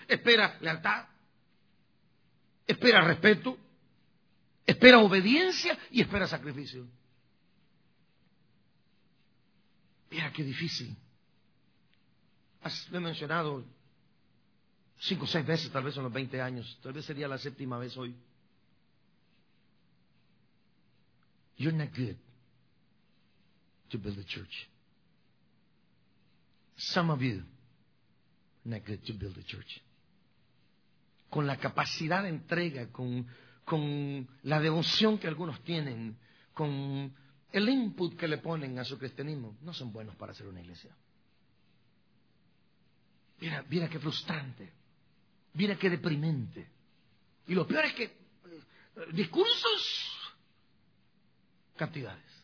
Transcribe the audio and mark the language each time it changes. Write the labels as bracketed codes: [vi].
[es] Espera lealtad, espera respeto, espera obediencia y espera sacrificio. Mira qué difícil. Lo he mencionado 5 o 6 veces, tal vez en los 20 años, tal vez sería la séptima vez hoy. [en] You're not good to build a church. Some of you are not good to build a church. [es] Con la capacidad de entrega, con la devoción que algunos tienen, con el input que le ponen a su cristianismo, no son buenos para hacer una iglesia. Mira qué frustrante. Mira qué deprimente. Y lo peor es que discursos, cantidades.